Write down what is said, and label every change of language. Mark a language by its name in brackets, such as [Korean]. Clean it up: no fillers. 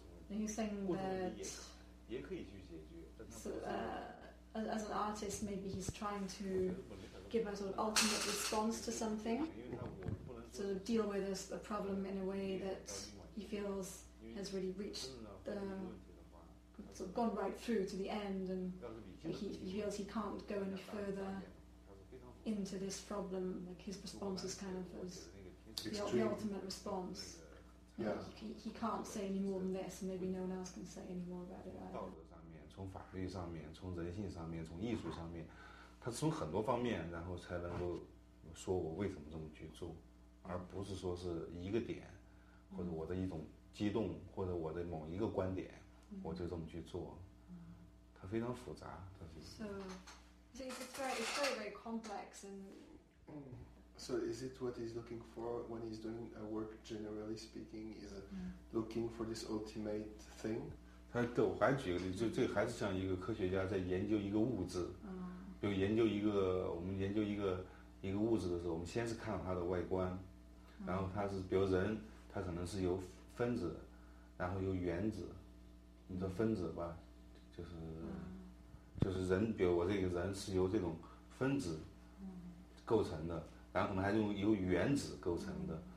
[English] And he's saying that as an artist, maybe he's trying to give a sort of ultimate response to something, to deal with a problem in a way that he feels has really reached the sort of gone right through to the end, and he feels he can't go any further into this problem. Like his response is kind of as the ultimate response. Yeah. He can't say any more than this, and maybe no one else can say any more about it either. [Chinese] 从法律上面，从人性上面，从艺术上面，他从很多方面，然后才能够说我为什么这么去做，而不是说是一个点，或者我的一种激动，或者我的某一个观点，我就这么去做。它非常复杂，它是。 [English] So, it's very, very complex and. So is it what he's looking for when he's doing a work? Generally speaking, is looking for this ultimate thing? [Chinese] 他对我还举个例子，这还是像一个科学家在研究一个物质，就研究一个我们研究一个物质的时候，我们先是看到它的外观，然后它是比如人，它可能是由分子，然后由原子，你说分子吧，就是人，比如我这个人是由这种分子构成的，然后可能还用由原子构成的。